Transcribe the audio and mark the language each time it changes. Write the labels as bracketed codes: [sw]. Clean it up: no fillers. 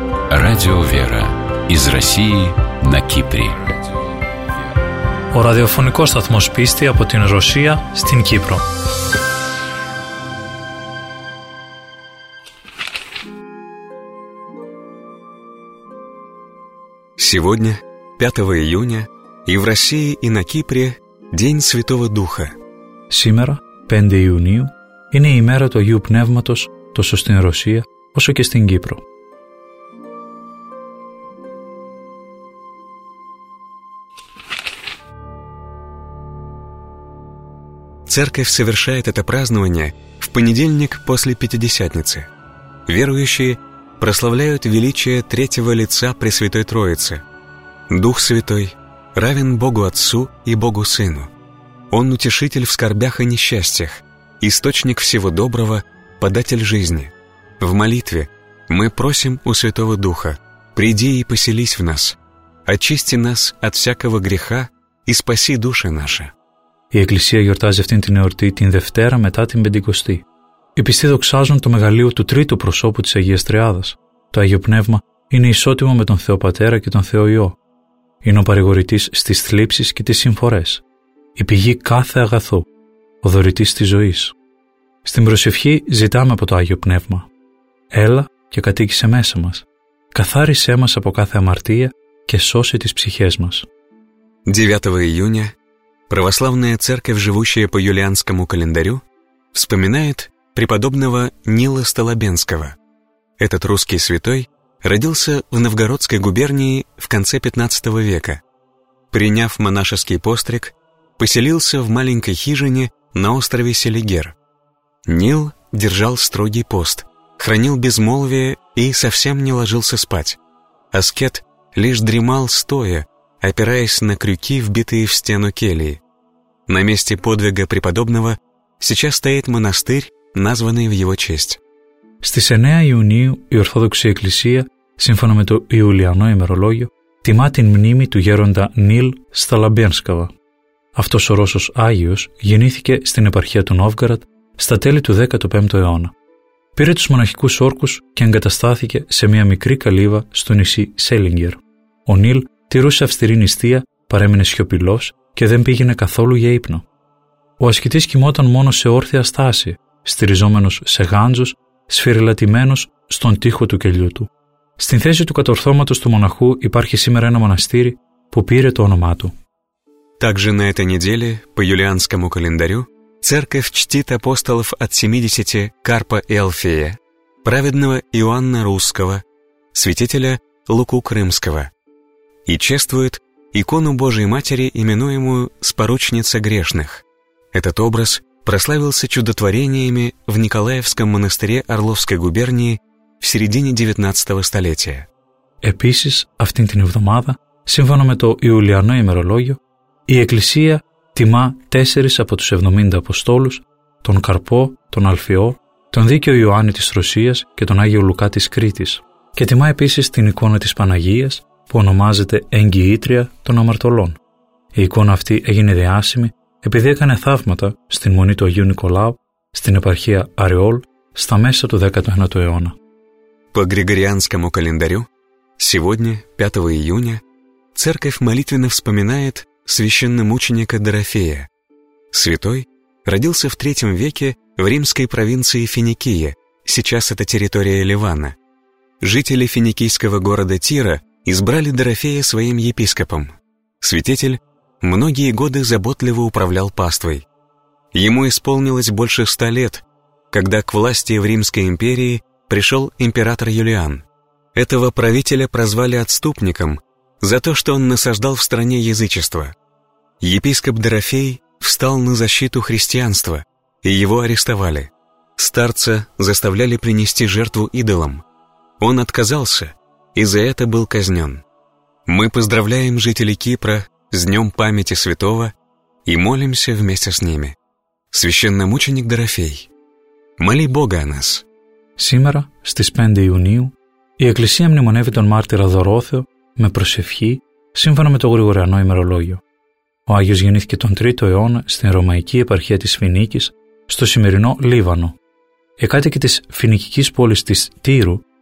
[ru] Радио «Вера» из России на Кипре. [el] Ο ραδιοφωνικός σταθμός πίστη από την Ρωσία στην Κύπρο. [ru] Сегодня, 5 июня, и в России, и на Кипре День Святого Духа. [el] Σήμερα, 5 Ιουνίου, είναι η ημέρα του Αγίου Πνεύματος τόσο στην Ρωσία όσο και στην Κύπρο. [ru] Церковь совершает это празднование в понедельник после Пятидесятницы. Верующие прославляют величие третьего лица Пресвятой Троицы. Дух Святой равен Богу Отцу и Богу Сыну. Он утешитель в скорбях и несчастьях, источник всего доброго, податель жизни. В молитве мы просим у Святого Духа: «Приди и поселись в нас, очисти нас от всякого греха и спаси души наши». [el] Η Εκκλησία γιορτάζει αυτήν την εορτή την Δευτέρα μετά την Πεντηκοστή. Οι πιστοί δοξάζουν το μεγαλείο του τρίτου προσώπου της Αγίας Τριάδας. Το Άγιο Πνεύμα είναι ισότιμο με τον Θεό Πατέρα και τον Θεό Υιό. Είναι ο παρηγορητής στις θλίψεις και τις συμφορές. Η πηγή κάθε αγαθού. Ο δωρητής της ζωής. Στην προσευχή ζητάμε από το Άγιο Πνεύμα: «Έλα και κατοίκησε μέσα μας. Καθάρισέ μας από κάθε αμαρτία και σώσε τις ψυχές μας». 9 Ιουνίου. [ru] Православная церковь, живущая по юлианскому календарю, вспоминает преподобного Нила Столобенского. Этот русский святой родился в Новгородской губернии в конце 15 века. Приняв монашеский постриг, поселился в маленькой хижине на острове Селигер. Нил держал строгий пост, хранил безмолвие и совсем не ложился спать. Аскет лишь дремал стоя, опираясь на крюки, вбитые в стену келии. На месте подвига преподобного сейчас стоит монастырь, названный в его честь. [el] Στις 9 Ιουνίου η Ορθόδοξη Εκκλησία, σύμφωνα με το Ιουλιανό ημερολόγιο, τιμά την μνήμη του γέροντα Νίλ Σταλαμπένσκαβα. Αυτός ο Ρώσος Άγιος γεννήθηκε στην επαρχία του Νόβγκαρατ στα τέλη του 15ου αιώνα. Πήρε τους μοναχικούς όρκους και εγκαταστάθηκε σε μια μικρή καλύβα στο νησί Σέλιγκερ. Ο Νίλ τηρούσε αυστηρή νηστεία, παρέμεινε σιωπηλός και δεν πήγαινε καθόλου για ύπνο. Ο ασκητής κοιμόταν μόνο σε όρθια στάση, στηριζόμενος σε γάντζους, σφυριλατημένος στον τοίχο του κελιού του. Στην θέση του κατορθώματος του μοναχού υπάρχει σήμερα ένα μοναστήρι που πήρε το όνομά του. [ru] Также на этой неделе, по юлианскому календарю, церковь чтит апостолов от 70 Карпа и Алфея, праведного Иоанна Русского, святителя Луку Крымского, и чествует икону Божией Матери, именуемую «Споручница грешных». Этот образ прославился чудотворениями в Николаевском монастыре Орловской губернии в середине 19-го столетия. [el] Επίσης, αυτήν την εβδομάδα, σύμφωνα με το Ιουλιανό ημερολόγιο, η Εκκλησία τιμά τέσσερις από τους 70 Αποστόλους, τον Καρπό, τον Αλφαιό, τον Δίκαιο Ιωάννη της Ρωσίας και τον Άγιο Λουκά της Κρήτης. Και τιμά επίσης την εικόνα της Παναγίας, που ονομάζεται Εγγυήτρια των Αμαρτωλών. Η εικόνα αυτή έγινε διάσημη επειδή έκανε θαύματα στην Μονή του Αγίου Νικολάου, στην επαρχία Αριόλ, στα μέσα του 19ου αιώνα. [ru] По Григорианскому календарю, сегодня, 5 июня, церковь молитвенно вспоминает священномученика Дорофея. Святой родился в 3 веке в римской провинции Финикия, сейчас это территория Ливана. Жители финикийского города Тира избрали Дорофея своим епископом. Святитель многие годы заботливо управлял паствой. Ему исполнилось больше 100 лет, когда к власти в Римской империи пришел император Юлиан. Этого правителя прозвали отступником за то, что он насаждал в стране язычество. Епископ Дорофей встал на защиту христианства, и его арестовали. Старца заставляли принести жертву идолам. Он отказался и за это был казнен. Мы поздравляем жителей Кипра с Днем памяти святого и молимся вместе с ними. Священномученик Дорофей, моли Бога о нас. [el] Сήμερα, στις 5 Ιουνίου, η Εκκλησία μνημονεύει τον μάρτυρα Δωρόθεο με προσευχή, σύμφωνα με το Γρηγοριανό ημερολόγιο. Ο Άγιος γεννήθηκε τον 3ο αιώνα στην ρωμαϊκή επαρχία της Φινίκης, στο σημερινό Λίβανο. Οι κάτοικοι της φινικικής πόλης της Τύρου